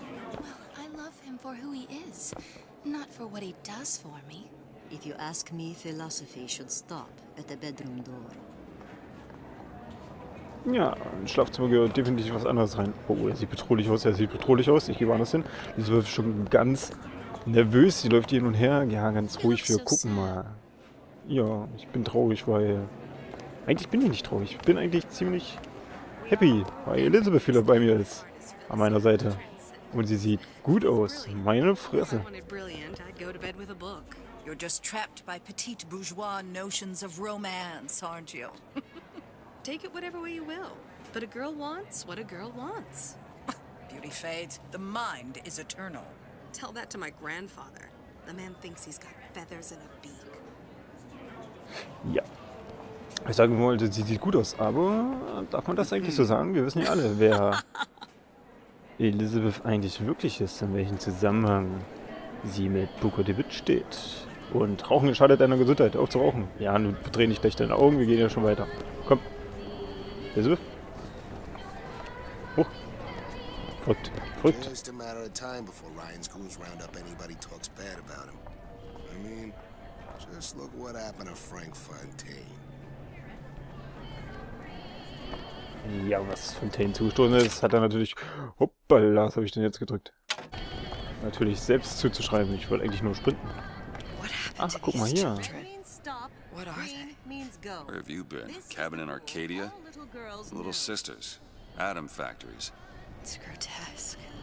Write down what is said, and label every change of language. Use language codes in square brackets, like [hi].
[en] Well, I love him for who he is. Not for what he does for me. If you ask me, philosophy should stop at the bedroom door. [de] Ja, im Schlafzimmer gehört definitiv was anderes rein. Oh, er sieht bedrohlich aus, er sieht bedrohlich aus. Ich gehe woanders hin. Sie wird schon ganz nervös, sie läuft hin und her. Ja, ganz ruhig, wir gucken mal. Ja, ich bin traurig, weil... Eigentlich bin ich nicht traurig. Ich bin eigentlich ziemlich happy, weil Elizabeth wieder bei mir ist. An meiner Seite. Und sie sieht gut aus. Meine Fresse. [en] You're just trapped by petite bourgeois notions of romance, aren't you? Take it whatever way you will. But a girl wants what a girl wants. Beauty fades. The mind is eternal. Tell that to my grandfather. The man thinks he's got feathers and a beak. [de] Ja. Ich sagen wollte, sie sieht gut aus, aber darf man das eigentlich so sagen? Wir wissen ja alle, wer Elizabeth eigentlich wirklich ist, in welchem Zusammenhang sie mit Buckle DeWitt steht. Und Rauchen schadet deiner Gesundheit. Auf zu rauchen. Ja, nun dreh nicht gleich deine Augen, wir gehen ja schon weiter. Komm. Elizabeth? Oh. Verrückt. Verrückt. [en] It's just a matter of time before Ryan's goons round up anybody talks bad about him. I mean, just look what happened to Frank Fontaine. [de] Ja, was Fontaine zugestoßen ist, hat er natürlich... Hoppala, was habe ich denn jetzt gedrückt? Natürlich selbst zuzuschreiben. Ich wollte eigentlich nur sprinten. Ach, guck mal hier. [en] What are they? Means go. Where have you been? Cabin in Arcadia? Little sisters. Atom factories. It's grotesque.